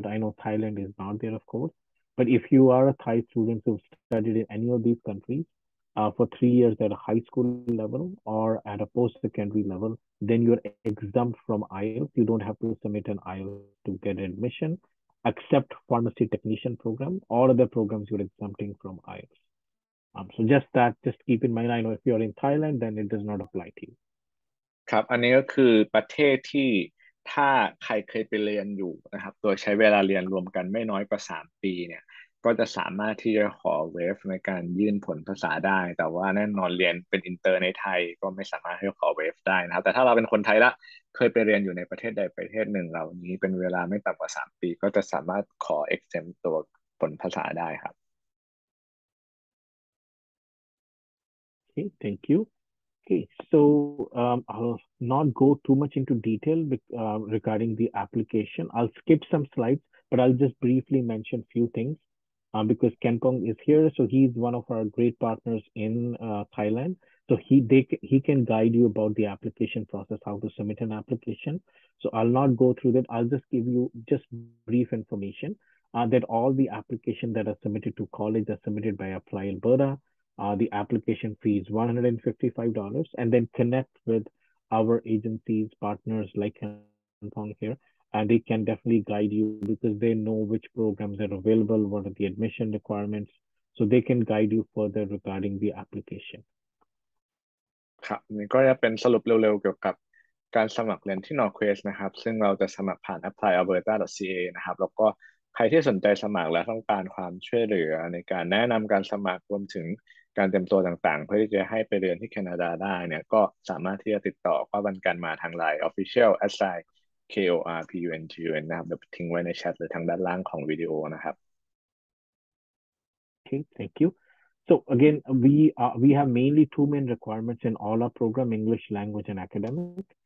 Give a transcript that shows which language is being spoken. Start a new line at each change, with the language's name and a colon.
English: But I know Thailand is not there, of course. But if you are a Thai student who studied in any of these countries for 3 years at a high school level or at a post-secondary level, then you're exempt from IELTS. You don't have to submit an IELTS to get admission. Except pharmacy technician program, all other programs you're exempting from IELTS. So just that, just keep in mind. I know if you're in Thailand, then it does not apply to you.
Thai: ครับอันนี้ก็คือประเทศที่ถ้าใครเคยไปเรียนอยู่นะครับโดยใช้เวลาเรียนรวมกันไม่น้อยกว่า3 ปีเนี่ยก็จะสามารถที่จะขอเวฟในการยื่นผลภาษาได้แต่ว่าแน่นอนเรียนเป็นอินเตอร์ในไทยก็ไม่สามารถที่จะขอเวฟได้นะครับแต่ถ้าเราเป็นคนไทยละเคยไปเรียนอยู่ในประเทศใดประเทศหนึ่งเหล่านี้เป็นเวลาไม่ต่ำกว่า3 ปีก็จะสามารถขอ exempt ตัวผลภาษาได้ครับ
English: Okay, thank you. Okay, so I'll not go too much into detail regarding the application. I'll skip some slides, but I'll just briefly mention few things. Because Kenpong is here, so he's one of our great partners in Thailand. So he can guide you about the application process, how to submit an application. So I'll not go through that. I'll just give you just brief information that all the application that are submitted to college are submitted by Apply Alberta. The application fee is $155. And then connect with our agencies, partners like Kenpong here. And they can definitely guide you because they know which programs are available, what are the admission requirements. So they can guide you further regarding the application.
Thai: ครับนี่ก็จะเป็นสรุปเร็วๆเกี่ยวกับการสมัครเรียนที่ NorQuest นะครับซึ่งเราจะสมัครผ่าน applyalberta.ca นะครับแล้วก็ใครที่สนใจสมัครและต้องการความช่วยเหลือในการแนะนำการสมัครรวมถึงการเตรียมตัวต่างๆเพื่อที่จะให้ไปเรียนที่แคนาดาได้เนี่ยก็สามารถที่จะติดต่อว่าวันการมาทาง LINE official aside. KorPunGun นะครับเดี๋ยวทิ้งไว้ในแชทหรือทางด้านล่างของวิดีโอนะครับ
English: Okay, thank you. So again, we have mainly two main requirements in all our program, English language and academic.